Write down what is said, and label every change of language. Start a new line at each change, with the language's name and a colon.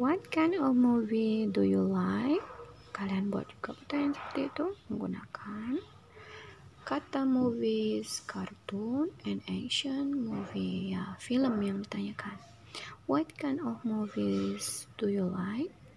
English: What kind of movie do you like?
Indonesian: Kalian buat juga pertanyaan seperti itu menggunakan kata
English: movies, cartoon, and action movie,
Indonesian: ya, film yang ditanyakan.
English: What kind of movies do you like?